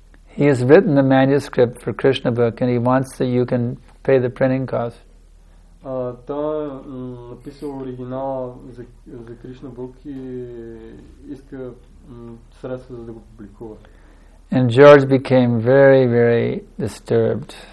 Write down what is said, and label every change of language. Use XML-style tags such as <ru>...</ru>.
<en>He has written the manuscript for Krishna book and he wants that you can pay the printing cost.</en> <bg>Той написал оригинала за Krishna book и иска средства за да го публикува.</bg> <en>And George became very, very disturbed.</en>